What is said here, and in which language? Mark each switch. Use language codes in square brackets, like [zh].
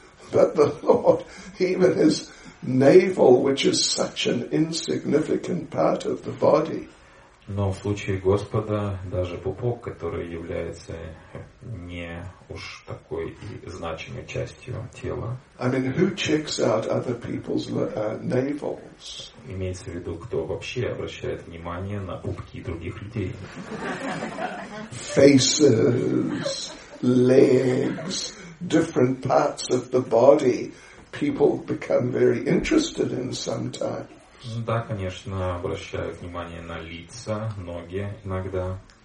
[en] But the Lord, even his navel, which is such an insignificant part of the body. [ru] Но в случае Господа даже пупок, который является не уж такой и значимой частью тела. [en] I mean, who checks out other people's navels? [ru] Имеется в виду, кто вообще обращает внимание на пупки других людей? [en] Faces, legs, different parts of the body. People become very interested in sometimes. [ru] Да, конечно, обращают внимание на лица, ноги иногда.